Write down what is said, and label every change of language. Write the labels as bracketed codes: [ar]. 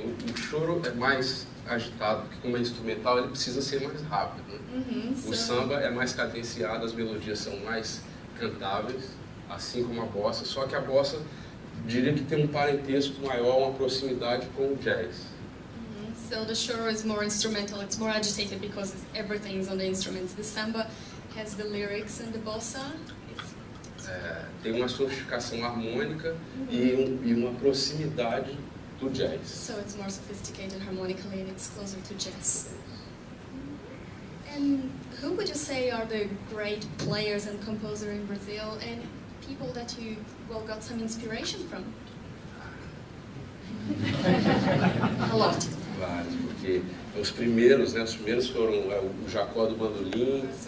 [pt] O choro é mais agitado, porque como é instrumental, ele precisa ser mais rápido. Uh-huh, o samba é mais cadenciado, as melodias são mais cantáveis, assim como a bossa. Só que a bossa, diria que tem um parentesco maior, uma proximidade com o jazz. [en] So the choro is more instrumental, it's more agitated because everything's on the instruments. The samba has the lyrics and the bossa. [pt] Tem uma sofisticação harmônica e uma proximidade do jazz. [en] So it's more sophisticated harmonically and it's closer to jazz. And who would you say are the great players and composers in Brazil and people that you well got some inspiration from? A lot. [pt] Vários, porque os primeiros foram o Jacó do Bandolim,